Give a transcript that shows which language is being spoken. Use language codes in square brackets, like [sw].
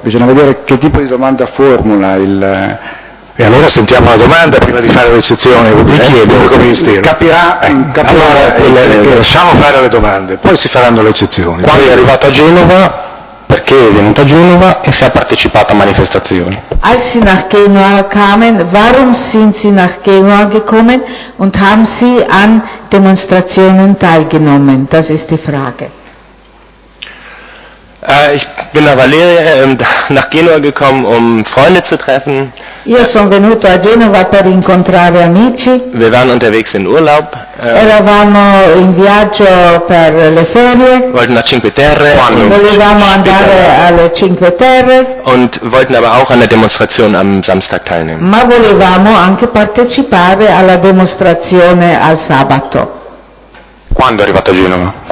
[it] Bisogna vedere che tipo di domanda formula il... E allora sentiamo la domanda prima di fare l'eccezione. Lasciamo fare le domande, poi si faranno le eccezioni. Quando è arrivato a Genova, perché è venuto a Genova e se ha partecipato a manifestazioni? [de] Als Sie nach Genua kamen, warum sind Sie nach Genua gekommen und haben Sie an Demonstrationen teilgenommen. Das ist die Frage. Ich bin nach Valeria nach Genua gekommen, um Freunde zu treffen. [it] Io sono venuto a Genova per incontrare amici. [de] Wir waren unterwegs in Urlaub. [it] Eravamo in viaggio per le ferie. [de] Wollten nach Cinque Terre. [it] Volevamo andare alle Cinque Terre. [de] Und wollten aber auch an der Demonstration am Samstag teilnehmen. [it] Ma volevamo anche partecipare alla dimostrazione al sabato. Quando è arrivato a Genova?